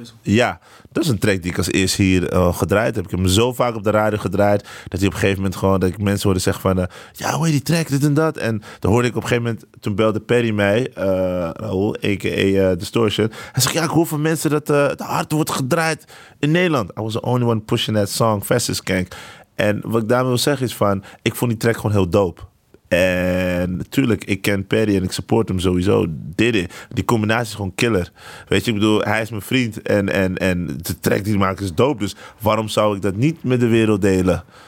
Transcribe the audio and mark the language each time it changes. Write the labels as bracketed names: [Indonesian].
[Dutch] Ja, dat is een track die ik als eerst hier gedraaid heb. Ik heb hem zo vaak op de radio gedraaid, dat hij op een gegeven moment gewoon, dat ik mensen hoorde zeggen van, ja, hoe heet die track, dit en dat. En dan hoorde ik op een gegeven moment, toen belde Perry mij, Raoul, a.k.a. Distortion. Hij zegt, ja, ik hoor van mensen dat het hard wordt gedraaid in Nederland. [English] I was the only one pushing that song, Fastest Kank. [Dutch] En wat ik daarmee wil zeggen is van, ik vond die track gewoon heel dope. En natuurlijk, ik ken Perry en ik support hem sowieso. Die combinatie is gewoon killer. Weet je, ik bedoel, hij is mijn vriend en de track die hij maakt is dope. Dus waarom zou ik dat niet met de wereld delen?